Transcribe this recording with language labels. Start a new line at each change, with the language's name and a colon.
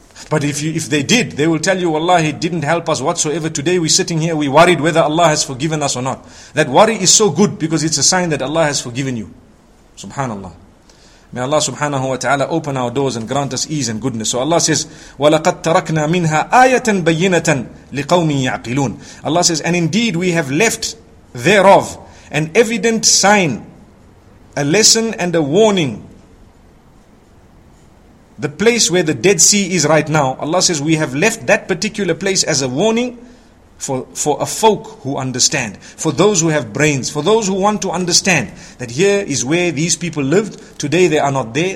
English: But if they did, they will tell you, Wallahi, it didn't help us whatsoever. Today we're sitting here, we worried whether Allah has forgiven us or not. That worry is so good because it's a sign that Allah has forgiven you. Subhanallah. May Allah subhanahu wa ta'ala open our doors and grant us ease and goodness.
Arabic: So Allah says, وَلَقَدْ تَرَكْنَا مِنْهَا آيَةً بَيِّنَةً لِقَوْمٍ يَعْقِلُونَ.
English: Allah says, and indeed we have left thereof an evident sign, a lesson and a warning. The place where the Dead Sea is right now, Allah says, we have left that particular place as a warning for a folk who understand, for those who have brains, for those who want to understand that here is where these people lived. Today they are not there.